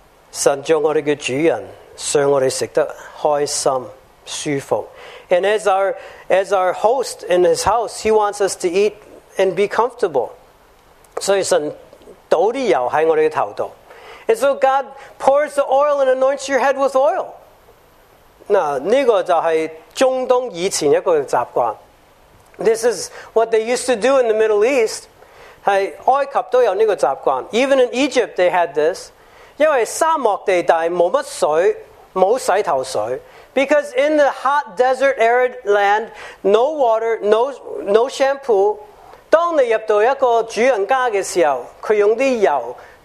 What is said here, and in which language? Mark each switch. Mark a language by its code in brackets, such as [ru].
[zh] 神叫我们的主人使我们吃得开心舒服. [en] And as our host in his house, he wants us to eat and be comfortable. [zh] 所以神倒油在我们的头上. [en] And so God pours the oil and anoints your head with oil. [zh] 这个就是中东以前一个习惯. [en] This is what they used to do in the Middle East. [zh] 埃及都有这个习惯. [en] Even in Egypt they had this. [zh] 因为沙漠地带没什么水，没洗头水. [en] Because in the hot desert arid land, no water, no shampoo. [zh] 当你入到一个主人家的时候，他用的油。